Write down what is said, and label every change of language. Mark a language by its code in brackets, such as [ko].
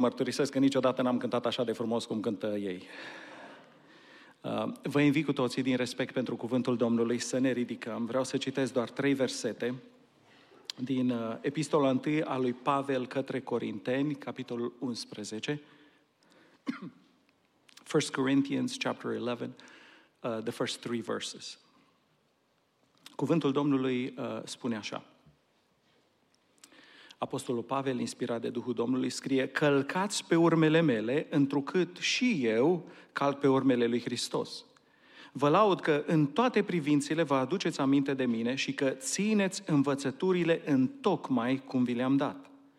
[ro] Mărturisesc că niciodată n-am cântat așa de frumos cum cântă ei. Vă invit cu toții, din respect pentru cuvântul Domnului, să ne ridicăm. Vreau să citesc doar trei versete din Epistola 1 a lui Pavel către Corinteni, capitolul 11. [en] 1 Corinthians chapter 11, the first three verses. [ro] Cuvântul Domnului spune așa. Apostolul Pavel, inspirat de Duhul Domnului, scrie: călcați pe urmele mele, întrucât și eu calc pe urmele lui Hristos. Vă laud că în toate privințele vă aduceți aminte de mine și că țineți învățăturile în tocmai cum vi le-am dat.